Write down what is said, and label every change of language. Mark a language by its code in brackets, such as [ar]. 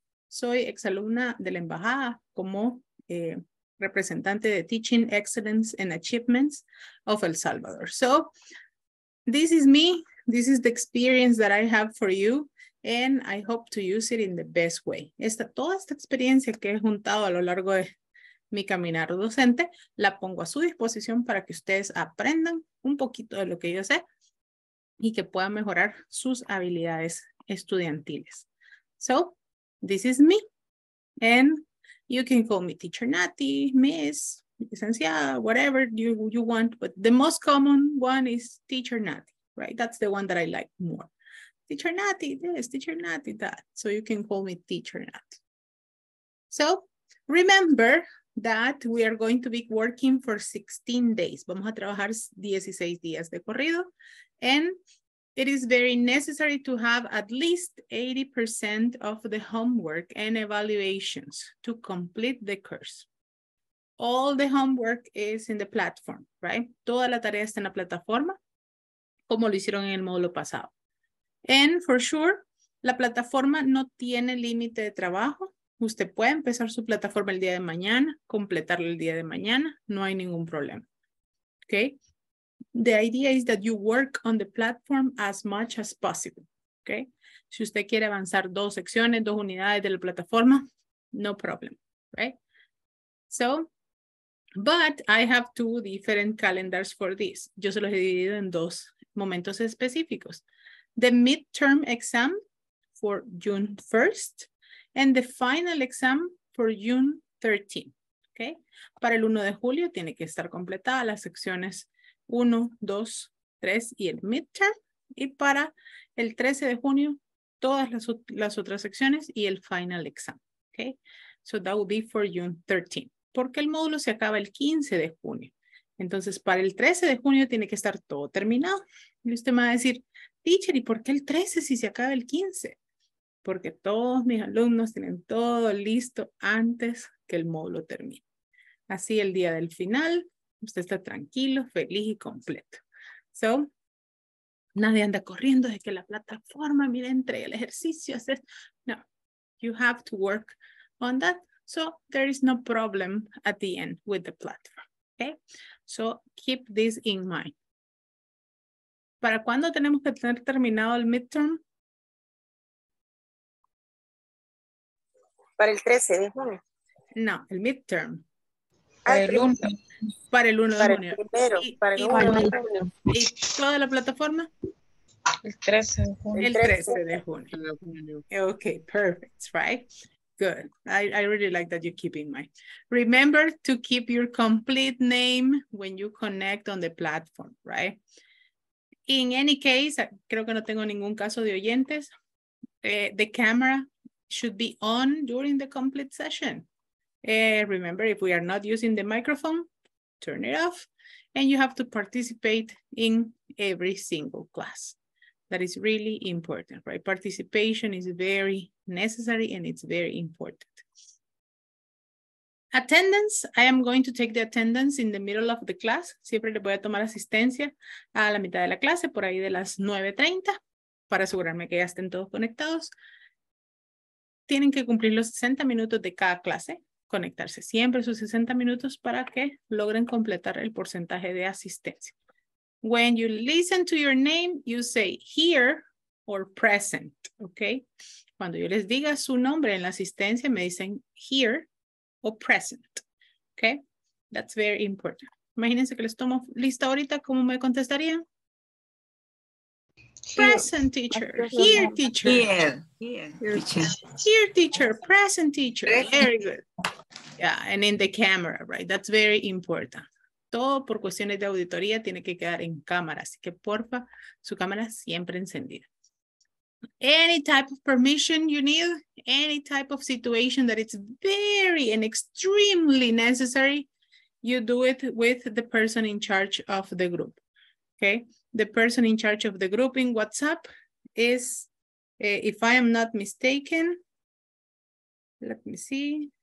[es] Soy exalumna de la embajada como representante de Teaching Excellence and Achievements of El Salvador. [en] So this is me. This is the experience that I have for you, and I hope to use it in the best way. [es] Esta, toda esta experiencia que he juntado a lo largo de mi caminar docente, la pongo a su disposición para que ustedes aprendan un poquito de lo que yo sé y que puedan mejorar sus habilidades estudiantiles. [en] So, this is me, and you can call me Teacher Nati, Miss, Licenciada, whatever you want, but the most common one is Teacher Nati. Right? That's the one that I like more. Teacher Nati, this, Teacher Nati, that. So you can call me Teacher Nati. So remember that we are going to be working for 16 days. [es] Vamos a trabajar 16 días de corrido. [en] And it is very necessary to have at least 80% of the homework and evaluations to complete the course. All the homework is in the platform, right? [es] Toda la tarea está en la plataforma, como lo hicieron en el módulo pasado. [en] And for sure, [es] la plataforma no tiene límite de trabajo. Usted puede empezar su plataforma el día de mañana, completarla el día de mañana, no hay ningún problema. [en] Okay? The idea is that you work on the platform as much as possible. Okay? [es] Si usted quiere avanzar dos secciones, dos unidades de la plataforma, [en] no problem, right? So, but I have two different calendars for this. [es] Yo se los he dividido en dos momentos específicos. [en] The midterm exam for June 1st and the final exam for June 13th, okay? [es] Para el 1 de julio tiene que estar completada las secciones 1, 2, 3 y el midterm. Y para el 13 de junio, todas las otras secciones y el final exam, okay? [en] So that will be for June 13th. [es] Porque el módulo se acaba el 15 de junio. Entonces, para el 13 de junio tiene que estar todo terminado. Y usted me va a decir, teacher, ¿y por qué el 13 si se acaba el 15? Porque todos mis alumnos tienen todo listo antes que el módulo termine. Así el día del final, usted está tranquilo, feliz y completo. So, nadie anda corriendo de que la plataforma, mire, entregue el ejercicio. [en] No, you have to work on that. So there is no problem at the end with the platform, okay? So keep this in mind. [es] ¿Para cuándo tenemos que tener terminado el midterm? Para el 13 de junio. No, el midterm. Para el 1 de junio. Para el 1 de junio. ¿Y toda la plataforma? El 13 de junio. El 13 de junio. [en] Okay, perfect, right? Good. I really like that you keep in mind. Remember to keep your complete name when you connect on the platform, right? In any case, [es] creo que no tengo ningún caso de oyentes. [en] The camera should be on during the complete session. Remember, if we are not using the microphone, turn it off. And you have to participate in every single class. That is really important, right? Participation is very necessary and it's very important. Attendance, I am going to take the attendance in the middle of the class. [es] Siempre le voy a tomar asistencia a la mitad de la clase, por ahí de las 9:30, para asegurarme que ya estén todos conectados. Tienen que cumplir los 60 minutos de cada clase, conectarse siempre sus 60 minutos para que logren completar el porcentaje de asistencia. [en] When you listen to your name, you say here or present, okay? [es] Cuando yo les diga su nombre en la asistencia, me dicen [en] here or present, okay? That's very important. [es] Imagínense que les tomo lista ahorita, ¿cómo me contestarían? [en] Present teacher, here teacher. Here teacher. Here teacher, present teacher, very good. Yeah, and in the camera, right? That's very important. [es] Todo por cuestiones de auditoría tiene que quedar en cámara. Así que porfa, su cámara siempre encendida. [en] Any type of permission you need, any type of situation that it's very and extremely necessary, you do it with the person in charge of the group. Okay? The person in charge of the group in WhatsApp is, if I am not mistaken, let me see.